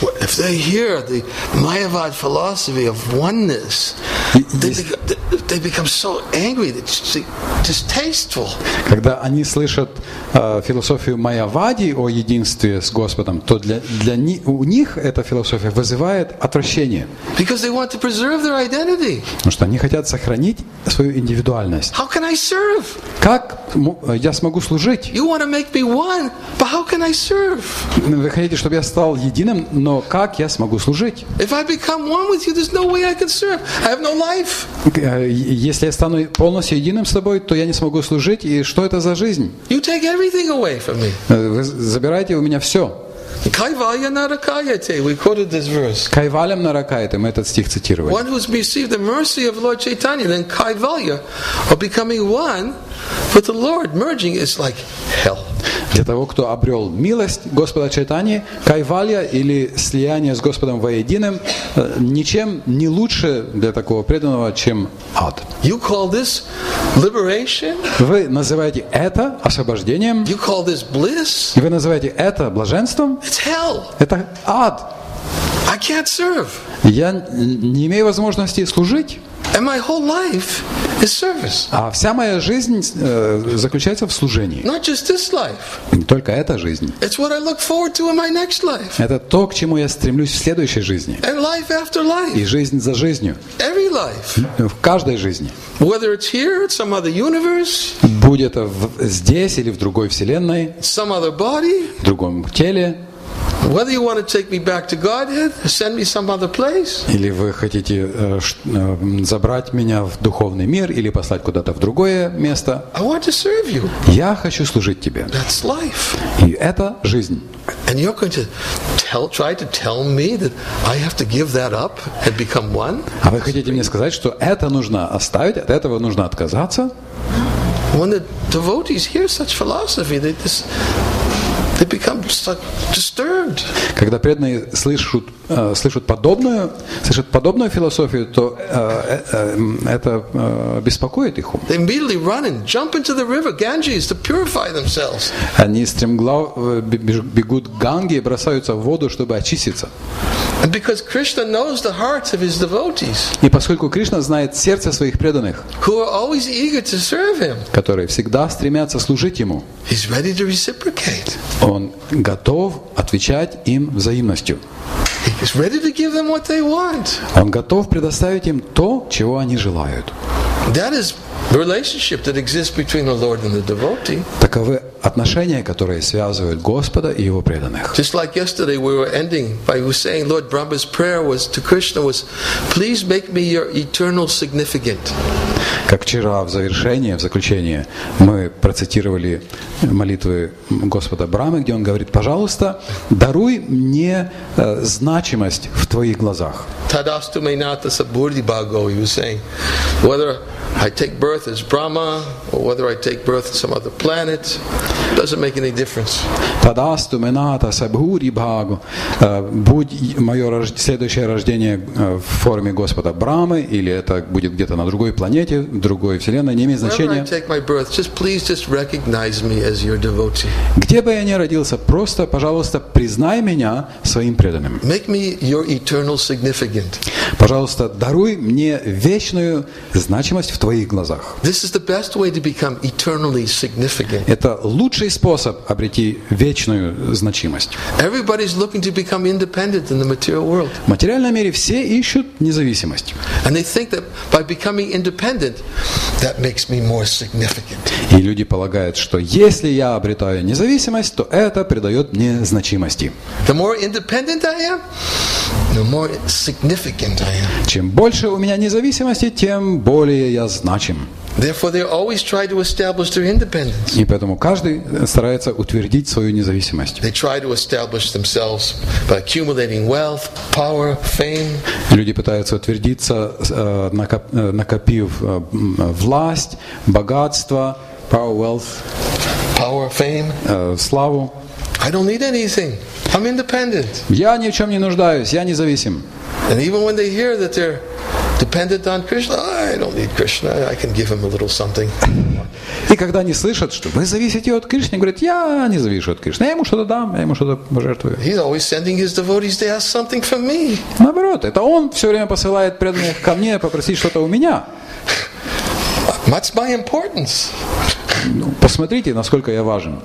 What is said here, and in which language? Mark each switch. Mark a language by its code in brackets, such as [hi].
[en] If they hear the Mayavad philosophy of oneness, they become so angry, distasteful. [ru] Когда они слышат философию Майявади о единстве с Господом, то для них эта философия вызывает отвращение. [en] Because because they want to preserve their identity. [ru] Потому что они хотят сохранить свою индивидуальность. [en] How can I serve? [ru] Как я смогу служить? [en] You want to make me one, but how can I serve? [ru] Вы хотите, чтобы я стал единым, но как я смогу служить? [en] If I become one with you, there's no way I can serve. I have no life. [ru] Если я стану полностью единым с тобой, то я не смогу служить. И что это за жизнь? [en] You take everything away from me. [ru] Вы забираете у меня все. [sa] Kaivalya narakayate. [en] We quoted this verse. [sa] Kaivalyam narakayate. [ru] Мы этот стих цитировали. [en] One who's received the mercy of Lord Chaitanya, then kaivalya, or becoming one with the Lord, merging is like hell. [ru] Для того, кто обрел милость Господа Чайтани, кайвалья или слияние с Господом воединым, ничем не лучше для такого преданного, чем ад. [en] You call this liberation? [ru] Вы называете это освобождением? [en] You call this bliss? [ru] Вы называете это блаженством? [en] It's hell. [ru] Это ад. [en] I can't serve. [ru] Я не имею возможности служить. [en] And my whole life is service. [ru] А вся моя жизнь заключается в служении. [en] Not just this life. [ru] Не только эта жизнь. [en] It's what I look forward to in my next life. [ru] Это то, к чему я стремлюсь в следующей жизни. [en] And life after life. [ru] И жизнь за жизнью. [en] Every life. [ru] В каждой жизни. [en] Whether it's here or some other universe. [ru] Будь это здесь или в другой вселенной. [en] Some other body. [ru] В другом теле. [en] Whether you want to take me back to Godhead, send me some other place. [ru] Или вы хотите забрать меня в духовный мир или послать куда-то в другое место. [en] I want to serve you. [ru] Я хочу служить тебе. [en] That's life. [ru] И это жизнь. [en] And you're going to try to tell me that I have to give that up and become one? [ru] А вы хотите мне сказать, что это нужно оставить, от этого нужно отказаться? [en] When the devotees hear such philosophy, they just they become disturbed. [ru] Когда преданные слышат подобную философию, то это беспокоит их. [en] They immediately run and jump into the river Ganges to purify themselves. [ru] Они стремглав бегут к Ганге и бросаются в воду, чтобы очиститься. [en] And because Krishna knows the hearts of his devotees. [ru] И поскольку Кришна знает сердце своих преданных. [en] Who are always eager to serve him. [ru] Которые всегда стремятся служить ему. [en] He's ready to reciprocate. [ru] Он готов отвечать им взаимностью. [en] He's ready to give them what they want. [ru] Он готов предоставить им то, чего они желают. [en] That is the relationship that exists between the Lord and the devotee. [ru] Таковы отношения, которые связывают Господа и его преданных. [en] Just like yesterday, we were ending by saying Lord Brahma's prayer was to Krishna was, please make me your eternal significant. [ru] Как вчера в завершение, в заключение, мы процитировали молитвы Господа Брамы, где он говорит: пожалуйста, даруй мне значимость в твоих глазах. [sa] Tadastu me nata saburdi bhago, [en] he was saying, whether I take birth as Brahma or whether I take birth in some other planet doesn't make any difference. [sa] Tadastu me nata saburdi bhago, [ru] будь мое следующее рождение в форме Господа Брамы или это будет где-то на другой планете, в другой вселенной, не имеет значения. [en] Wherever I take my birth, just please just recognize me as your devotee. [ru] Где бы я ни родился, просто, пожалуйста, признай меня своим преданным. [en] Make me your eternal significant. [ru] Пожалуйста, даруй мне вечную значимость в твоих глазах. [en] This is the best way to become eternally significant. [ru] Это лучший способ обрести вечную значимость. [en] Everybody's looking to become independent in the material world. [ru] В материальном мире все ищут независимость. [en] And they think that by becoming independent, that makes me more significant. [ru] И люди полагают, что если я обретаю независимость, то это придает мне значимости. [en] The more independent I am, the more significant I am. [ru] Чем больше у меня независимости, тем более я значим. [en] Therefore, they always try to establish their independence. [ru] И поэтому каждый старается утвердить свою независимость. [en] They try to establish themselves by accumulating wealth, power, fame. [ru] Люди пытаются утвердиться, накопив власть, богатство, [en] power, wealth, power, fame, [ru] славу. [en] I don't need anything. I'm independent. [ru] Я ни в чем не нуждаюсь. Я независим. [en] And even when they hear that they're dependent on Krishna, I don't need Krishna. I can give him a little something. [ru] И когда они слышат, что вы зависите от Кришны, говорят: я не завишу от Кришны. Я ему что-то дам, я ему что-то пожертвую. [en] He's always sending his devotees to ask something from me. [ru] Наоборот, это он все время посылает преданных ко мне попросить что-то у меня. [en] What's my importance? [ru] Посмотрите, насколько я важен.